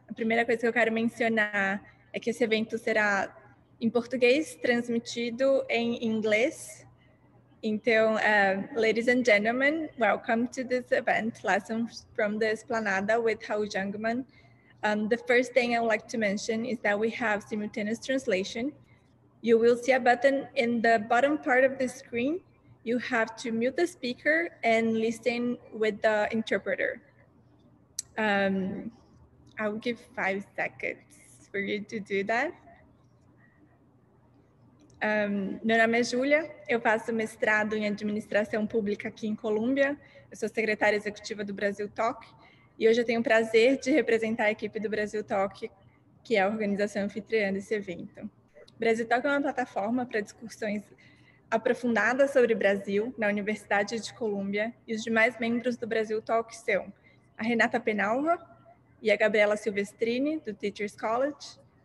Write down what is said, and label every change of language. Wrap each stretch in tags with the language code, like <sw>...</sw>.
<pt>A primeira coisa que eu quero mencionar é que esse evento será em português, transmitido em inglês.</pt> <en>Então, ladies and gentlemen, welcome to this event, Lessons from the Esplanada with Raul Jungmann. The first thing I would like to mention is that we have simultaneous translation. You will see a button in the bottom part of the screen. You have to mute the speaker and listen with the interpreter. I will give 5 seconds for you to do that.</en> <pt>Meu nome é Júlia, eu faço mestrado em administração pública aqui em Colômbia. Eu sou secretária executiva do Brasil Talk e hoje eu tenho o prazer de representar a equipe do Brasil Talk, que é a organização anfitriã desse evento. O Brasil Talk é uma plataforma para discussões aprofundadas sobre o Brasil na Universidade de Colômbia e os demais membros do Brasil Talk são a Renata Penalva e a Gabriela Silvestrini, do Teachers College.</pt>